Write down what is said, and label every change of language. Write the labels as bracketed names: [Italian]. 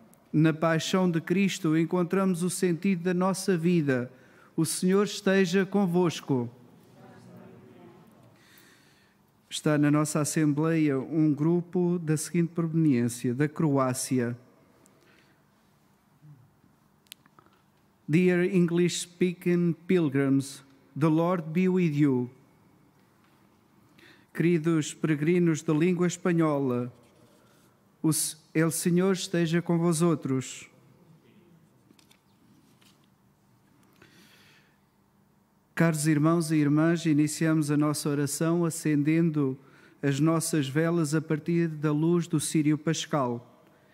[Portuguese] Na paixão de Cristo encontramos o sentido da nossa vida. O Senhor esteja convosco. Está na nossa Assembleia um grupo da seguinte proveniência, da Croácia. [English] Dear English-speaking pilgrims, the Lord be with you. [Portuguese] Queridos peregrinos de língua espanhola, o El Senhor esteja com vós outros. Caros irmãos e irmãs, iniciamos a nossa oração acendendo as nossas velas a partir da luz do Círio Pascal.